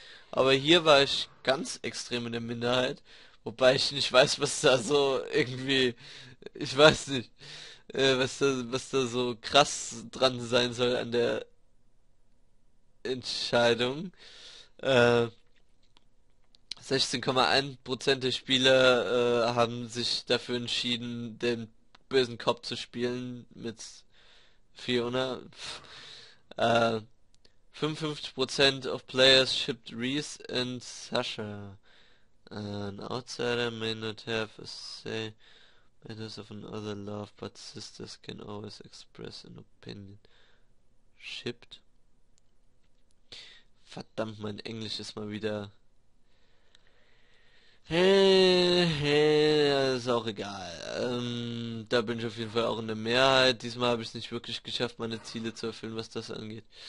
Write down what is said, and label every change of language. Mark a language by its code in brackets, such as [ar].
[de] Aber hier war ich ganz extrem in der Minderheit, wobei ich nicht weiß, was da so irgendwie, ich weiß nicht, was da so krass dran sein soll an der Entscheidung. 16,1% der Spieler haben sich dafür entschieden, den bösen Cop zu spielen mit Fiona. [en] 55% of players shipped Reese and Sasha. An outsider may not have a say. Matters of another love, but sisters can always express an opinion. Shipped? [de] Verdammt, mein Englisch ist mal wieder. Hey, ist auch egal. Da bin ich auf jeden Fall auch in der Mehrheit. Diesmal habe ich es nicht wirklich geschafft, meine Ziele zu erfüllen, was das angeht.